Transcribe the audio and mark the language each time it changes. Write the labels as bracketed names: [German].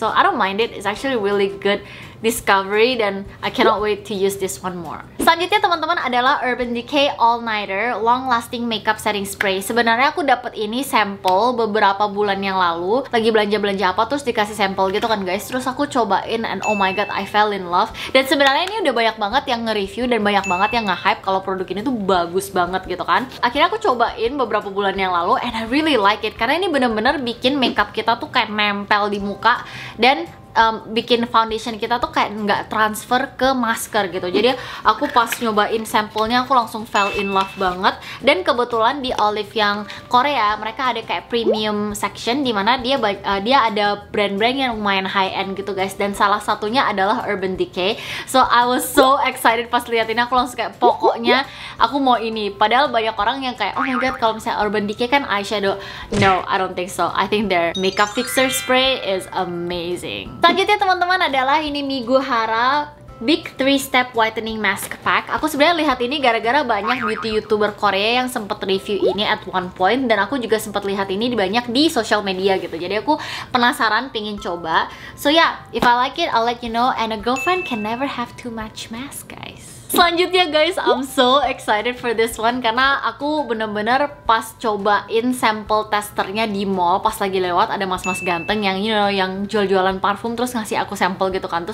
[English] So I don't mind it, it's actually really good discovery [Indonesian] dan [English] I cannot wait to use this one more. [Indonesian] Selanjutnya teman-teman adalah Urban Decay All Nighter Long Lasting Makeup Setting Spray. Sebenarnya aku dapat ini sampel beberapa bulan yang lalu, lagi belanja-belanja apa terus dikasih sampel gitu kan guys. Terus aku cobain [English] and oh my god, I fell in love. [Indonesian] Dan sebenarnya ini udah banyak banget yang nge-review dan banyak banget yang nge-hype kalau produk ini tuh bagus banget gitu kan. Akhirnya aku cobain beberapa bulan yang lalu [English] and I really like it [Indonesian] karena ini benar-benar bikin makeup kita tuh kayak nempel di muka dan bikin foundation kita tuh kayak nggak transfer ke masker gitu. Jadi aku pas nyobain sampelnya, aku langsung fell in love banget. Dan kebetulan di Olive yang Korea, mereka ada kayak premium section di mana dia dia ada brand-brand yang lumayan high-end gitu guys. Dan salah satunya adalah Urban Decay. [English] So I was so excited [Indonesian] pas liat ini, aku langsung kayak pokoknya aku mau ini. Padahal banyak orang yang kayak, oh my god, kalau misalnya Urban Decay kan eyeshadow. [English] No, I don't think so. I think their makeup fixer spray is amazing. [Indonesian] Selanjutnya teman-teman adalah ini Miguhara Big 3 Step Whitening Mask Pack. Aku sebenarnya lihat ini gara-gara banyak beauty YouTuber Korea yang sempat review ini [English] at one point, [Indonesian] dan aku juga sempat lihat ini banyak di social media gitu. Jadi aku penasaran, pingin coba. [English] So yeah, if I like it, I'll let you know. And a girlfriend can never have too much mask, guys. [Indonesian] Selanjutnya guys, [English] I'm so excited for this one [Indonesian] karena aku bener-bener pas cobain sampel testernya di mall, pas lagi lewat ada mas-mas ganteng yang [English] you know [Indonesian] yang jual-jualan parfum terus ngasih aku sampel gitu kan.